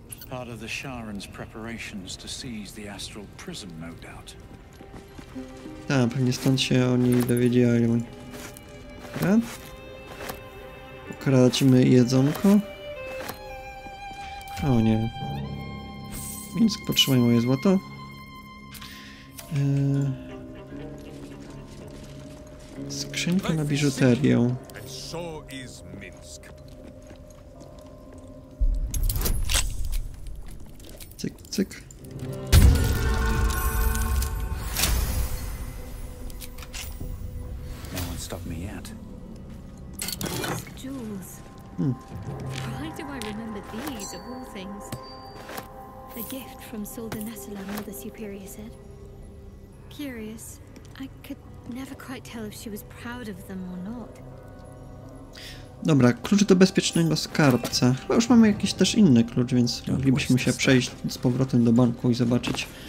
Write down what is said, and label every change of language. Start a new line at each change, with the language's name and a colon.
English: Part of the Sharon's preparations to seize the astral prism, no doubt.
Polish: Tak, pewnie stąd się oni dowiedzieli. Dobra. Ukradzimy jedzonko. O nie. Więc potrzymaj moje złoto. Skrzynka na biżuterię. Cyk.
English: No one stopped me yet. Jewels. Why do I remember these of all things? A gift from Soldanessa, Mother Superior said. Curious. I could never quite tell if she was proud of them or not.
Polish: Dobra, klucz do bezpiecznego skarbca. Chyba już mamy jakiś też inny klucz, więc moglibyśmy się przejść z powrotem do banku i zobaczyć.